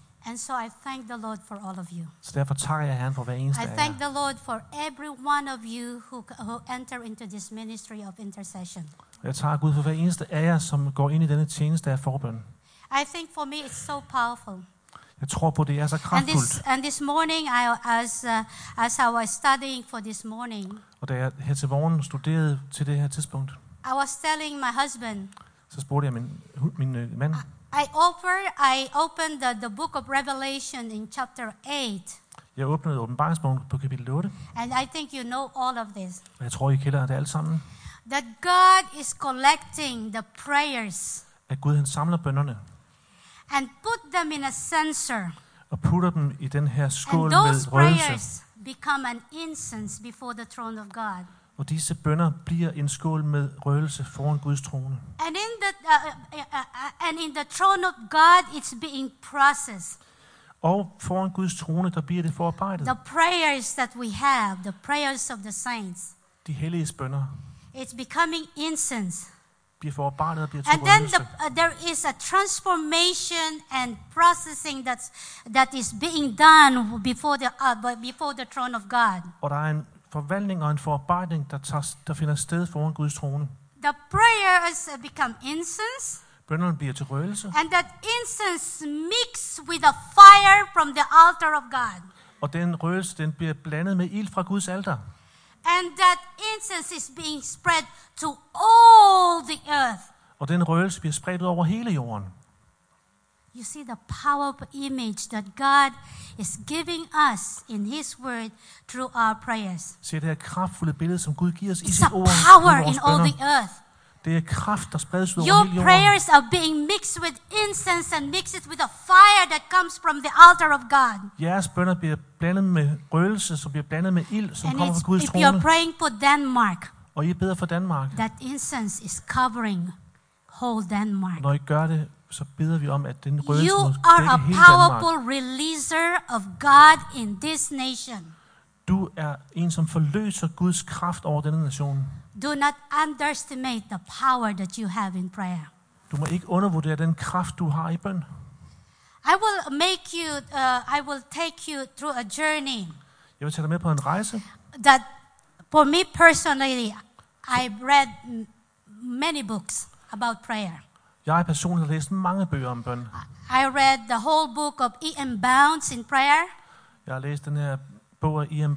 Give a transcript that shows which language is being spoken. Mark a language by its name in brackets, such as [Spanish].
[English] And so I thank the Lord for all of you. [Danish] Så derfor takker jeg Herren for hver eneste af jer. [English] I thank the Lord for every one of you who enter into this ministry of intercession. [Danish] Jeg takker Gud for hver eneste af jer, som går ind i denne tjeneste af forbøn. [English] I think for me it's so powerful. [Danish] Jeg tror på det er så kraftfuldt. [English] And this morning I as I was studying for this morning. [Danish] Og da jeg her til morgen studerede til det her tidspunkt. [English] I was telling my husband. [Danish] Så spurgte jeg min mand. [English] I opened the book of Revelation in chapter 8. [Danish] Jeg åbnede Åbenbaringsbogen på kapitel 8. [English] And I think you know all of this. [Danish] Jeg tror I kender det alt sammen. [English] That God is collecting the prayers. [Danish] At Gud han samler bønnerne. [English] And put them in a censer. [Danish] Og putter dem i den her skål med røgelse. [English] And those prayers become an incense before the throne of God. [Danish] Og disse bønner bliver en skål med røgelse foran Guds trone. [English] And in the and in the throne of God it's being processed. [Danish] Og foran Guds trone der bliver det forarbejdet. [English] The prayers that we have, the prayers of the saints. [Danish] De helliges bønner. [English] It's becoming incense. [Danish] Bliver forarbejdet og bliver til røgelse. [English] And then there is a transformation and processing that is being done before the throne of God. [Danish] Og der er en forvandling og en forarbejdning der finder sted foran Guds trone. [English] The prayers become incense. [Danish] Bønnerne bliver til røgelse. [English] And that incense mix with the fire from the altar of God. [Danish] Og den røgelse den bliver blandet med ild fra Guds alter. [English] And that incense is being spread to all the earth. [Danish] Og den røgelse bliver spredt ud over hele jorden. [English] You see the powerful image that God is giving us in His Word through our prayers. [Danish] Se det her kraftfulde billede, som Gud giver os [English] it's [Danish] i sit ord. [English] It's a power in all the earth. [Danish] Det er kraft, der spredes ud over [English] your [Danish] hele jorden. [English] Your prayers are being mixed with incense and mixed with a fire that comes from the altar of God. [Danish] Jeres bønner bliver blandet med røgelse, som bliver blandet med ild, som [English] and [Danish] kommer fra Guds trone. [English] If you're praying for Denmark, [Danish] og I beder for Danmark, [English] that incense is covering whole Denmark. [Danish] Når I gør det, så beder vi om, at den røgelse dækker hele Danmark. [English] You are a powerful releaser of God in this nation. [Danish] Du er en, som forløser Guds kraft over denne nation. [English] Do not underestimate the power that you have in prayer. [Danish] Du må ikke undervurdere den kraft du har i bøn. [English] I will make you I will take you through a journey. [Danish] Jeg vil tage dig med på en rejse. [English] That for me personally I read many books about prayer. [Danish] Jeg har personligt læst mange bøger om bøn. [English] I read the whole book of E.M. Bounds in prayer. [Danish] Jeg har læst den her bog af E.M.